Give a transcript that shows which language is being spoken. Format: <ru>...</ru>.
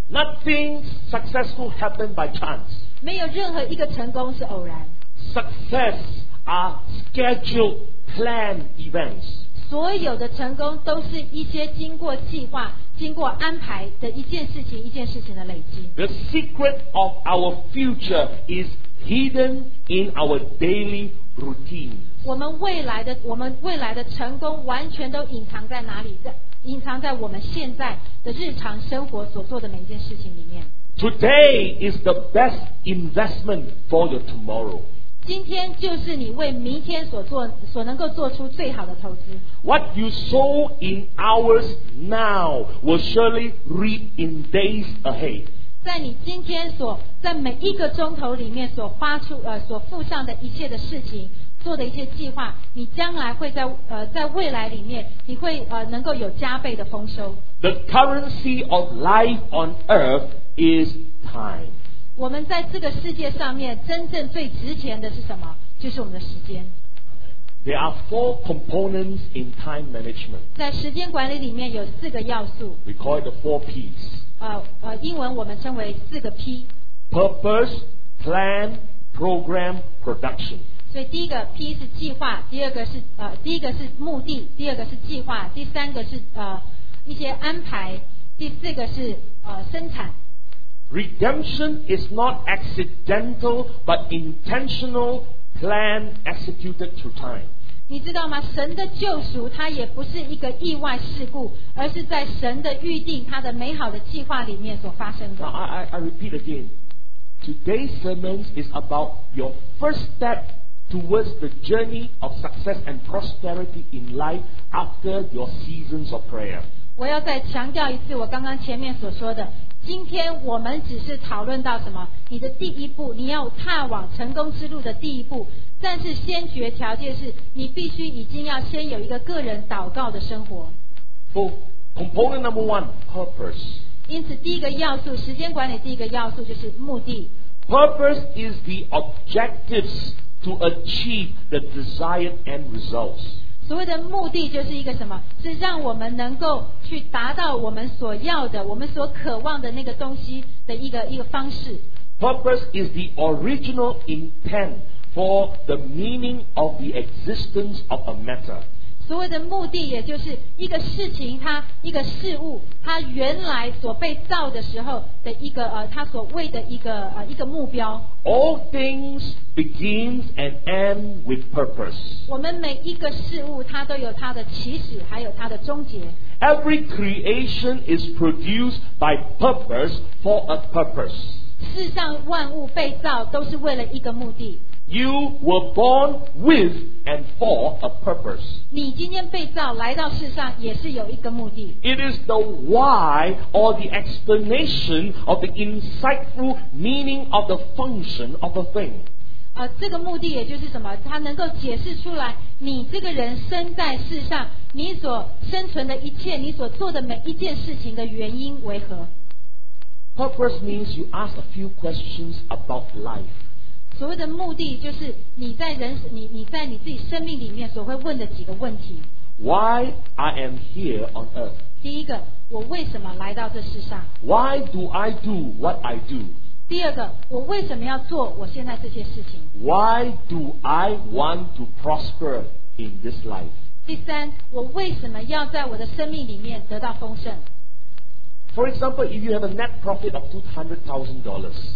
<en>Nothing successful happened by chance.</en> <zh>没有任何一个成功是偶然。</zh> <en>Success are scheduled planned events.</en> <zh>所有的成功都是一些经过计划、经过安排的一件事情、一件事情的累积。</zh> <en>The secret of our future is hidden in our daily routine.</en> <zh>我们未来的成功完全都隐藏在哪里？隐藏在我们现在的日常生活所做的每一件事情里面。</zh> <en>Today is the best investment for your tomorrow.</en> <zh>今天就是你为明天所能够做出最好的投资。</zh> <en>What you sow in hours now will surely reap in days ahead.</en> <zh>在你今天在每一个钟头里面所付上的一切的事情，做的一些计划，你将来会在未来里面，你会能够有加倍的丰收。</zh> <en>The currency of life on earth is time.</en> <zh>我们在这个世界上面真正最值钱的是什么？就是我们的时间。</zh> <en>There are four components in time management.</en> <zh>在时间管理里面有四个要素。</zh> <en>We call it the four P's.</en> <zh>英文我们称为四个 P。</zh> <en>Purpose, plan, program, production.</en> <zh>所以第一个 P 是计划，第一个是目的，第二个是计划，第三个是一些安排，第四个是生产。</zh> <en>Redemption is not accidental, but intentional, planned, executed through time.</en> <zh>你知道吗？神的救赎它也不是一个意外事故，而是在神的预定、他的美好的计划里面所发生的。</zh> <en>I repeat again. Today's sermon is about your first step towards the journey of success and prosperity in life after your seasons of prayer.</en> <zh>我要再强调一次我刚刚前面所说的。今天我们只是讨论到什么？你的第一步，你要踏往成功之路的第一步。但是先决条件是你必须已经要先有一个个人祷告的生活。</zh> <en>So, component number one, purpose.</en> <zh>因此第一个要素，时间管理第一个要素就是目的。</zh> <en>Purpose is the objectives to achieve the desired end results.</en> <zh>所谓的目的就是一个什么？是让我们能够去达到我们所要的、我们所渴望的那个东西的一个方式。</zh> <en>Purpose is the original intent for the meaning of the existence of a matter.</en> <zh>所谓的目的也就是一个事情它、一个事物它原来所被造的时候的一个它所谓的一个目标。</zh> <en>All things begins and ends with purpose.</en> <zh>我们每一个事物它都有它的起始，还有它的终结。</zh> <en>Every creation is produced by purpose for a purpose.</en> <zh>世上万物被造都是为了一个目的。</zh> <en>You were born with and for a purpose.</en> <zh>你今天被造来到世上也是有一个目的。</zh> <en>It is the why or the explanation of the insightful meaning of the function of a thing.</en> <zh>这个目的也就是什么？它能够解释出来你这个人生在世上，你所生存的一切，你所做的每一件事情的原因为何。</zh> <en>Purpose means you ask a few questions about life.</en> <zh>所谓的目的就是你在你自己生命里面所会问的几个问题。</zh> <en>Why I am here on earth?</en> <zh>第一个，我为什么来到这世上</zh> <en>？Why do I do what I do?</en> <zh>第二个，我为什么要做我现在这些事情</zh> <en>？Why do I want to prosper in this life?</en> <zh>第三，我为什么要在我的生命里面得到丰盛</zh> <en>？For example, if you have a net profit of $200,000.</en>